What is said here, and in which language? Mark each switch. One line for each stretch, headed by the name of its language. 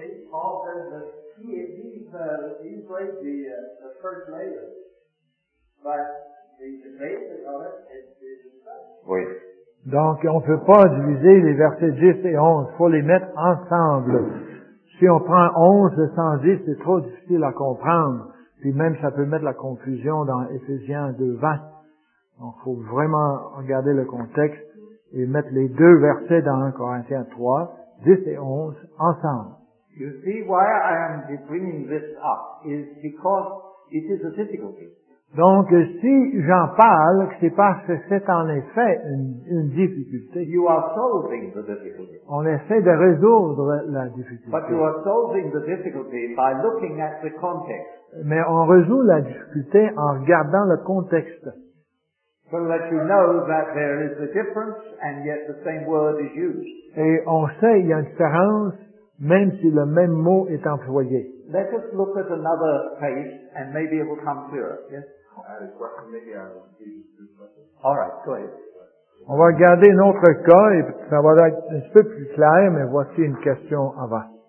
English: Paul says that he's laid the first layer, but the basis of it is Jesus.
French: Oui. Donc, on ne peut pas diviser les versets 10 et 11. Il faut les mettre ensemble. Si on prend 11 sans 10, c'est trop difficile à comprendre. Puis même, ça peut mettre la confusion dans Ephésiens 2:20. Donc, il faut vraiment regarder le contexte et mettre les deux versets dans 1 Corinthiens 3, 10 et 11, ensemble.
English: You see, why I am bringing this up is because it is a difficulty.
French: Donc, si j'en parle, c'est parce que c'est en effet une difficulté.
English: You are solving the difficulty.
French: On essaie de résoudre la difficulté.
English: But you are solving the difficulty by looking at the context.
French: Mais on résout la difficulté en regardant le contexte.
English: So that you know that there is a difference and yet the same word is used.
French: Et on sait qu'il y a une différence même si le même mot est employé.
English: Let us look at another case and maybe it will come clearer. Yes? All right, go ahead.
French: On va regarder un autre cas et ça va être un peu plus clair, mais voici une question avant.